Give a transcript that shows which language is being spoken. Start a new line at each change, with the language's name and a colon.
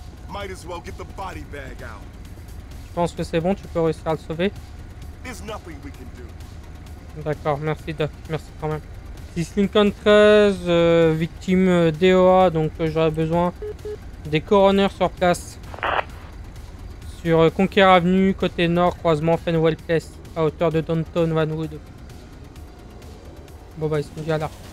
English: Might as well get the body bag out.
French: Je pense que c'est bon, tu peux réussir à le sauver.
English: There's nothing we can do.
French: D'accord, merci Doc, merci quand même. This Lincoln 13, victime DOA, donc j'aurais besoin des coroners sur place. Sur Conquer Avenue, côté nord, croisement Fenwell Place, à hauteur de Downtown Vanwood. Bon bah ils sont déjà là.